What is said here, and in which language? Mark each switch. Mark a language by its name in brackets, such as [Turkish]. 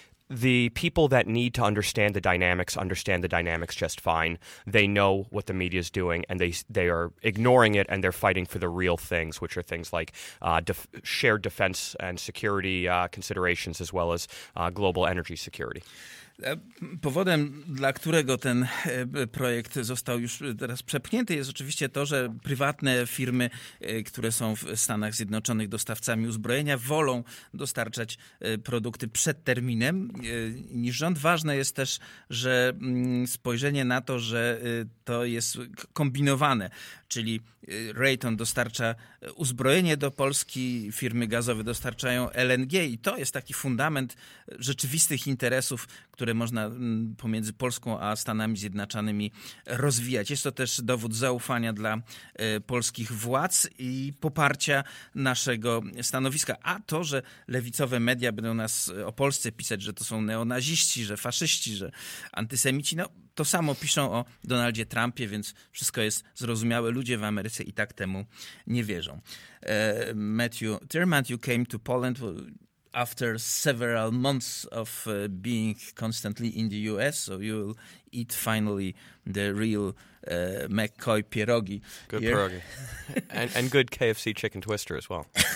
[English] the people that need to understand the dynamics just fine. They know what the media is doing, and they are ignoring it, and they're fighting for the real things, which are things like shared defense and security considerations, as well as global energy security. [Polish] Powodem, dla którego ten projekt został już teraz przepchnięty, jest oczywiście to, że prywatne firmy, które są w Stanach Zjednoczonych dostawcami uzbrojenia, wolą dostarczać produkty przed terminem niż rząd. Ważne jest też, że spojrzenie na to, że to jest kombinowane, czyli Raytheon dostarcza uzbrojenie do Polski, firmy gazowe dostarczają LNG, i to jest taki fundament rzeczywistych interesów, które można pomiędzy Polską a Stanami Zjednoczonymi rozwijać. Jest to też dowód zaufania dla polskich władz i poparcia naszego stanowiska. A to, że lewicowe media będą nas o Polsce pisać, że to są neonaziści, że faszyści, że antysemici, no to samo piszą o Donaldzie Trumpie, więc wszystko jest zrozumiałe. Ludzie w Ameryce i tak temu nie wierzą. [English] Matthew Thurmond, you came to Poland after several months of being constantly in the US, so you will eat finally the real McCoy pierogi. Good here. Pierogi. and good KFC chicken twister as well.